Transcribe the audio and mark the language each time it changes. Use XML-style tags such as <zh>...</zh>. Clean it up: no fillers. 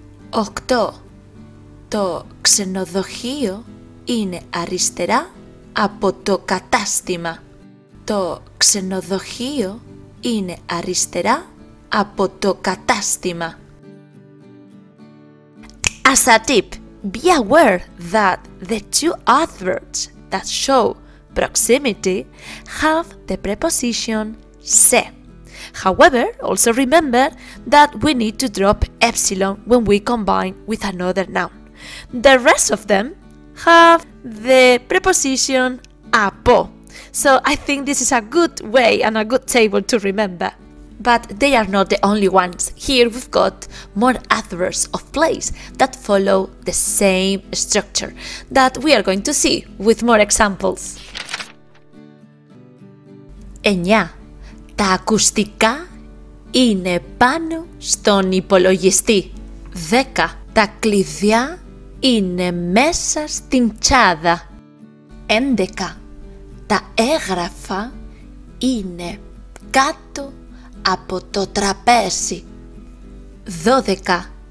<el>8. Το ξενοδοχείο είναι αριστερά από το κατάστημα. Το ξενοδοχείο είναι αριστερά από το κατάστημα.</el> <en>As a tip, be aware that the two adverbs that show proximity have the preposition σε. However, also remember that we need to drop epsilon when we combine with another noun. The rest of them have the preposition από. So I think this is a good way and a good table to remember. But they are not the only ones. Here we've got more adverbs of place that follow the same structure that we are going to see with more examples. 9.</en> <el>Τα ακουστικά είναι πάνω στον υπολογιστή. 10. Τα κλειδιά είναι μέσα στην τσάδα. 11. Τα έγγραφα είναι κάτω από το τραπέζι. 12.</el>